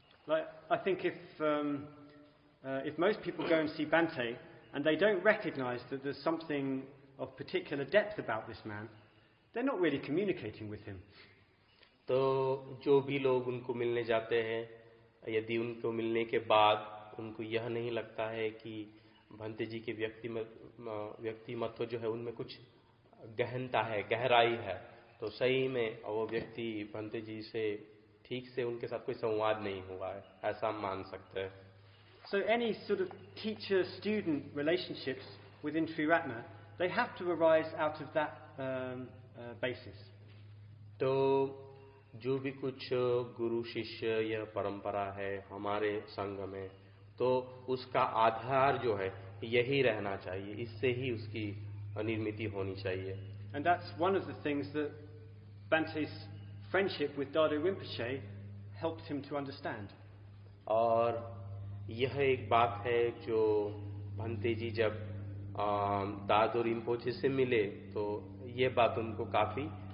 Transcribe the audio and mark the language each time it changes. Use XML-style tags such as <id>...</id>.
<en>Like, I think if most people go and see Bhante and they don't recognize that there's something of particular depth about this man, they're not really communicating with him.</en> <hi>तो जो भी लोग उनको मिलने जाते हैं यदि उनको मिलने के बाद उनको यह नहीं लगता है कि भंते जी के व्यक्तिमत्व जो है उनमें कुछ गहनता है गहराई है तो सही में वो व्यक्ति भंते जी से ठीक से उनके साथ कोई संवाद नहीं हुआ है ऐसा मान सकते हैं।</hi> <en>So any sort of teacher student relationships within Sri Ratna they have to arise out of that basis.</en> <hi>तो जो भी कुछ गुरु शिष्य या परंपरा है हमारे संघ में तो उसका आधार जो है यही रहना चाहिए इससे ही उसकी निर्मिति होनी चाहिए।</hi> <en>And that's one of the things that Bhante's friendship with Dado Rinpoche helped him to understand.</en> <hi>और यह एक बात है जो भंते जी जब दादो रिंपोचे से मिले तो यह बात उनको काफी</hi>